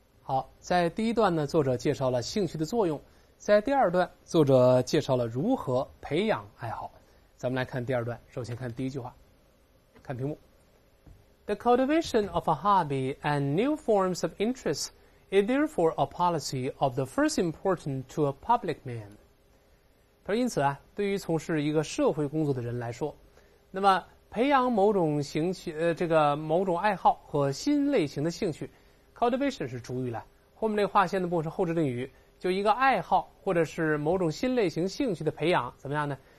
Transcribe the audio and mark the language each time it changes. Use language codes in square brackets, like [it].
[zh] 好，在第一段呢，作者介绍了兴趣的作用，在第二段，作者介绍了如何培养爱好。咱们来看第二段，首先看第一句话，看屏幕。 [en] The cultivation of a hobby and new forms of interest is therefore a policy of the first importance to a public man. [zh] 他说因此啊，对于从事一个社会工作的人来说，那么培养某种兴趣，这个某种爱好和新类型的兴趣，cultivation 是主语了，后面这划线的部分是后置定语，就一个爱好或者是某种新类型兴趣的培养怎么样呢？